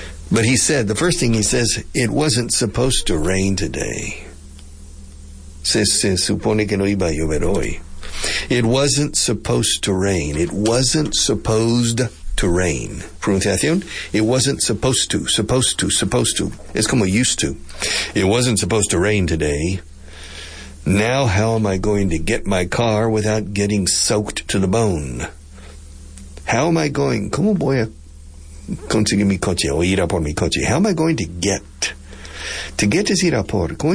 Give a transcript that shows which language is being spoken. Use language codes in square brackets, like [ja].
[en] But he said, the first thing he says, it wasn't supposed to rain today. [es] Se supone que no iba a llover hoy. [en] It wasn't supposed to rain. It wasn't supposed to rain. [es] Pronunciación? [en] It wasn't supposed to. Supposed to. Supposed to. [es] Es como [en] used to. It wasn't supposed to rain today. Now how am I going to get my car without getting soaked to the bone? How am I going? [es] ¿Cómo voy a conseguir mi coche o ir a por mi coche? [en] How am I going to get? To get [es] es ir a por.